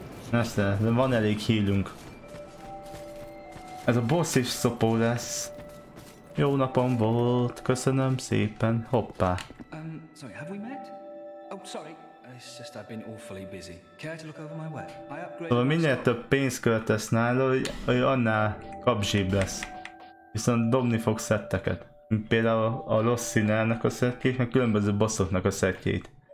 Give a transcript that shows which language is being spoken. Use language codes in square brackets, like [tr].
[hu] Persze, de van elég healünk. Ez a boss is szopó lesz. Jó napom volt, köszönöm szépen, hoppá. [en] Sorry, have we met? Oh, sorry. It's just I've been awfully busy. Care to look over my work? I upgraded. [hu] Szóval minél több pénzt költesz nála, hogy annál kapzsibb lesz. Viszont dobni fog szetteket. Például a Lost Sinnernek a szettjét, meg különböző bossoknak a szettjét.